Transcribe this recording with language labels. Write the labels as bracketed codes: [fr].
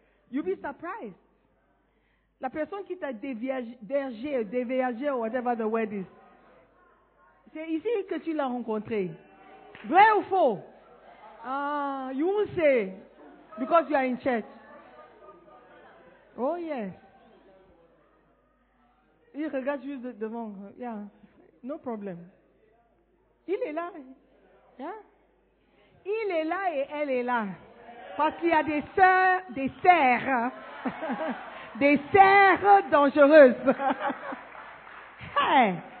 [en] You'll be surprised. [fr] La personne qui t'a déviagé, ou [en] whatever the word is, [fr] c'est ici que tu l'as rencontré. Vrai ou faux? [en] Ah, you won't say, because you are in church. Oh yes. [fr] Il regarde juste devant. [en] Yeah. No problem. [fr] Il est là. [en] Yeah. [fr] Il est là et elle est là. Parce qu'il y a des sœurs, des serres. Des serres dangereuses. Hey.